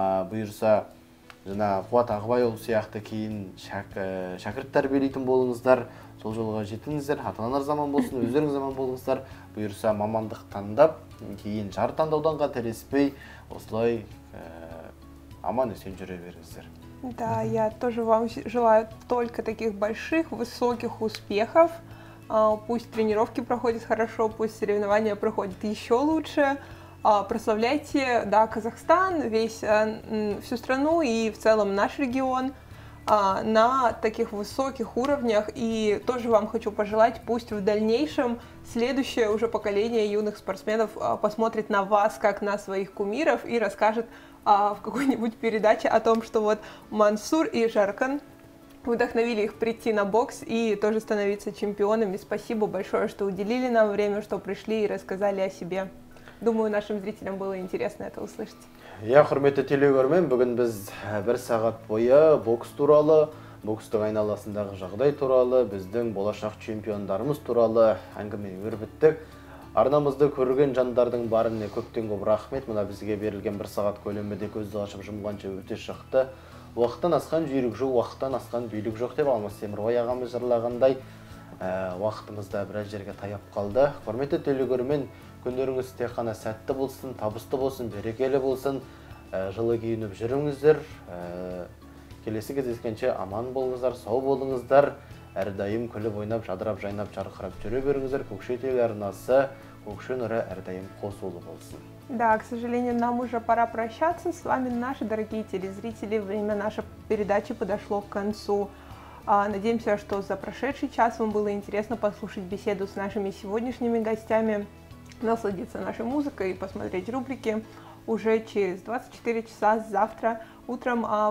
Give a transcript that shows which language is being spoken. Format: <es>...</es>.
<kk>Бұйырса, жаңа Қуат Ағыбайұлы сияқты кейін шәкірт тәрбиелейтін болыңыздар, сол жолға жетіңіздер, ата-аналар заман болсын, өздеріңіз заман болыңыздар. Бұйырса, мамандық таңдап, кейін жар таңдаудан қателеспей, осылай аман-есен жүре беріңіздер.</kk> <ru>Да, я тоже вам желаю только таких больших, высоких успехов. Пусть тренировки проходят хорошо, пусть соревнования проходят еще лучше. Прославляйте, да, Казахстан, всю страну и в целом наш регион на таких высоких уровнях. И тоже вам хочу пожелать, пусть в дальнейшем следующее уже поколение юных спортсменов посмотрит на вас, как на своих кумиров, и расскажет в какой-нибудь передаче о том, что вот Мансур и Жаркан вдохновили их прийти на бокс и тоже становиться чемпионами. Спасибо большое, что уделили нам время, что пришли и рассказали о себе. Думаю, нашим зрителям было интересно это услышать.</ru> <kk>Я құрметті телекөрермен, бүгін біз бір сағат бойы бокс туралы, бокстың айналасындағы жағдай туралы, біздің болашақ чемпиондарымыз туралы әңгіме өрбіттік. Арнамызды көрген жандардың барына көптен көп рахмет. Мына бізге берілген бір сағат көлемінде көзді ашып жұмғанша өте шықты. Уақыттан асқан жүйрік жоқ, уақыттан асқан билік жоқ деп Алмас Темірбай ағамыз жырлағандай, уақытымызда біраз жерге таяп қалды. Құрметті телекөрермен, күндеріңіз тек қана сәтті болсын, табысты болсын, берекелі болсын, жылы киініп жүріңіздер. Келесі кездескенше аман болыңыздар, сау болыңыздар. Әрдайым күліп ойнап, жадырап, жайнап, жарқырап жүре беріңіздер. Көкше тел арнасы, Көкше нұры әрдайым қосулы болсын.</kk> <ru>Да, к сожалению, нам уже пора прощаться. С вами наши дорогие телезрители. Время нашей передачи подошло к концу. Надеемся, что за прошедший час вам было интересно послушать беседу с нашими сегодняшними гостями, насладиться нашей музыкой и посмотреть рубрики уже через 24 часа завтра утром.</ru>